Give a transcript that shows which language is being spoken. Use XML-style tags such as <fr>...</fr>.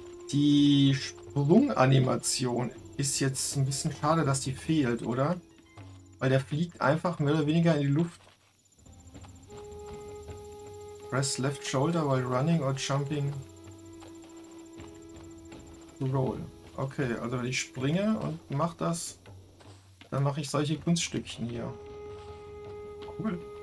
<de>Die Sprunganimation ist jetzt ein bisschen schade, dass die fehlt, oder? Weil der fliegt einfach mehr oder weniger in die Luft.</de> <en>Press left shoulder while running or jumping. Roll.</en> <de>Okay, also wenn ich springe und mach das, dann mache ich solche Kunststückchen hier. Cool.</de>